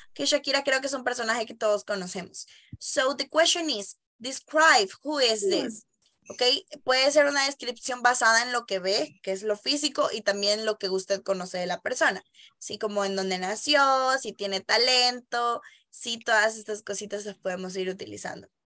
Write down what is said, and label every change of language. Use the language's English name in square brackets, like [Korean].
[Spanish] Okay, Shakira creo que es un personaje que todos conocemos. [English] So the question is, describe who is this? [Spanish] Okay, puede ser una descripción basada en lo que ve, que es lo físico, y también lo que usted conoce de la persona. Sí, como en dónde nació, si tiene talento, sí, todas estas cositas las podemos ir utilizando.